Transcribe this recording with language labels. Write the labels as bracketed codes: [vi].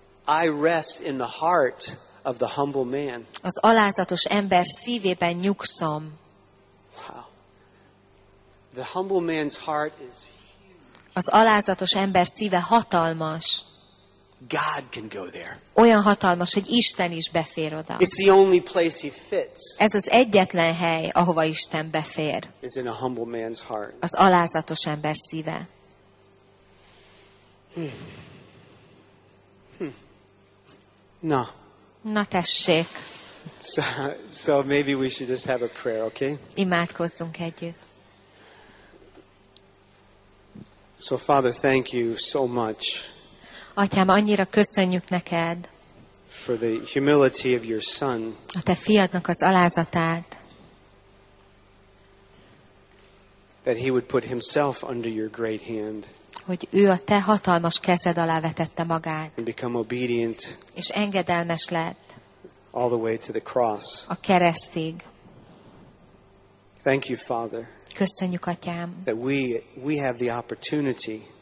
[en] I rest in the heart of the humble man. [hu] Az alázatos ember szívében nyugszom. [en] Wow. The humble man's heart is huge. [hu] Az alázatos ember szíve hatalmas. [en] God can go there. [hu] Olyan hatalmas, hogy Isten is befér oda. [en] It's the only place he fits. [hu] Ez az egyetlen hely, ahova Isten befér. [en] Is in a humble man's heart. [hu] Az alázatos ember szíve. Na tessék. [en] So maybe we should just have a prayer, okay? [hu] Imádkozzunk együtt. [en] So Father, thank you so much. [hu] Atyám, annyira köszönjük neked. [en] For the humility of your son. [hu] A te fiadnak az alázatát. [en] That he would put himself under your great hand. [hu] Hogy ő a te hatalmas kezed alá vetette magát, [en] obedient, [hu] és engedelmes lett [en] all the way to the cross. [hu] A keresztig. [en] Thank you, Father, [hu] köszönjük, Atyám, [en] that we have the opportunity,